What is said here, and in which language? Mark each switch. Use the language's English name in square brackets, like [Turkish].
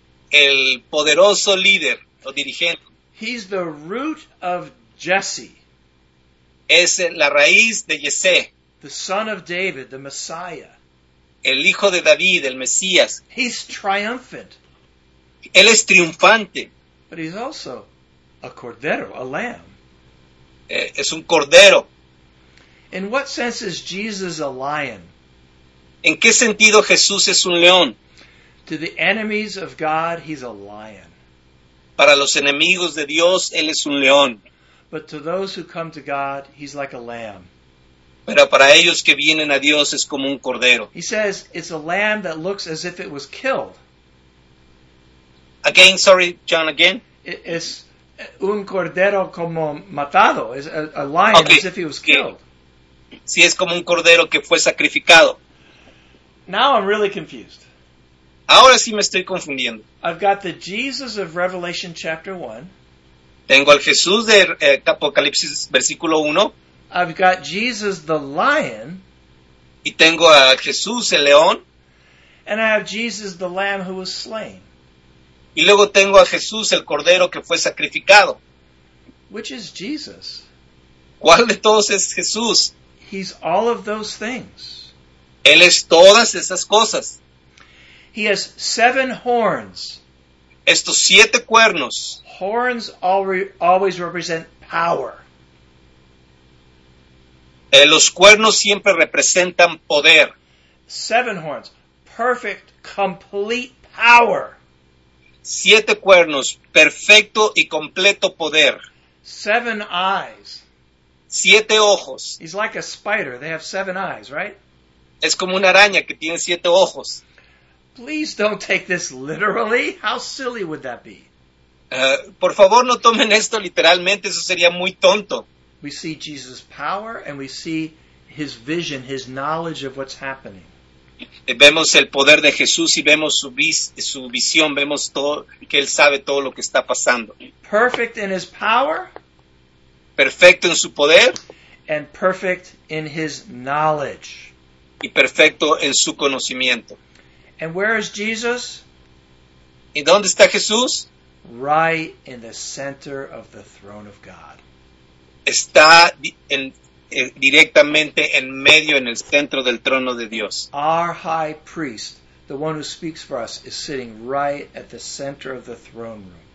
[Spanish] El poderoso líder o dirigente. [English] He's the root of Jesse. [Spanish] Es la raíz de Jesse. [English] The son of David, the Messiah. [Spanish] El hijo de David, el Mesías. [English] He's triumphant. [Spanish] Él es triunfante. [English] But he's also a cordero, a lamb. [Spanish] Es un cordero. [English] In what sense is Jesus a lion? [Spanish] ¿En qué sentido Jesús es un león? [English] To the enemies of God, he's a lion. [Spanish] Para los enemigos de Dios, él es un león. [English] But to those who come to God, he's like a lamb. [Spanish] Pero para ellos que vienen a Dios, es como un cordero. [English] He says, it's a lamb that looks as if it was killed. Again, sorry, John, again? It's [Spanish] un cordero como matado, [English] is a lion, okay, as if he was killed. [Spanish] Sí, es como un cordero que fue sacrificado. [English] Now I'm really confused. [Spanish] Ahora sí me estoy confundiendo. [English] I've got the Jesus of Revelation chapter 1. [Spanish] Tengo al Jesús de Apocalipsis versículo 1. [English] I've got Jesus the lion. [Spanish] Y tengo a Jesús el león. [English] And I have Jesus the lamb who was slain. [Spanish] Y luego tengo a Jesús el cordero que fue sacrificado. [English] Which is Jesus? [Spanish] ¿Cuál de todos es Jesús? [English] He's all of those things. [Spanish] Él es todas esas cosas. [English] He has seven horns. [Spanish] Estos siete cuernos. [English] Horns always represent power. [Spanish] Los cuernos siempre representan poder. [English] Seven horns. Perfect, complete power. [Spanish] Siete cuernos. Perfecto y completo poder. [English] Seven eyes. [Spanish] Siete ojos. [English] He's like a spider. They have seven eyes, right? [Spanish] Es como una araña que tiene siete ojos. [English] Please don't take this literally. How silly would that be? [Spanish] Por favor, no tomen esto literalmente. Eso sería muy tonto. [English] We see Jesus' power and we see his vision, his knowledge of what's happening. [Spanish] Vemos el poder de Jesús y vemos su visión. Vemos todo, que él sabe todo lo que está pasando. [English] Perfect in his power. [Spanish] Perfecto en su poder. [English] And perfect in his knowledge. [Spanish] y perfecto en su conocimiento. [English] And where is Jesus? [Spanish] ¿Y dónde está Jesús? [English] Right in the center of the throne of God. [Spanish] Está directamente en medio, en el centro del trono de Dios. [English] Our high priest, the one who speaks for us, is sitting right at the center of the throne room.